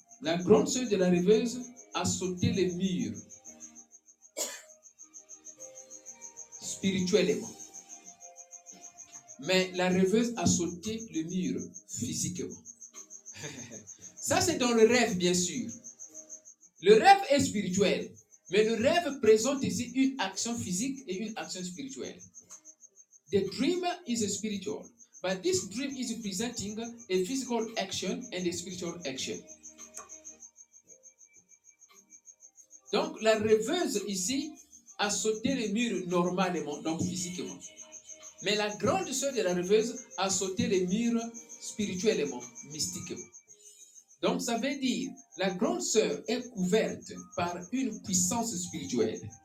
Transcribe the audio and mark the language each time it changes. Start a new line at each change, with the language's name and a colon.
French: La grande sœur de la rêveuse a sauté les murs spirituellement. Mais la rêveuse a sauté le mur physiquement. Ça, c'est dans le rêve, bien sûr. Le rêve est spirituel, mais le rêve présente ici une action physique et une action spirituelle.
English: The dream is spiritual, but this dream is presenting a physical action and a spiritual action.
French: Donc, la rêveuse ici a sauté le mur normalement, donc physiquement. Mais la grande sœur de la rêveuse a sauté le mur spirituellement, mystiquement. Donc, ça veut dire, la grande sœur est couverte par une puissance spirituelle.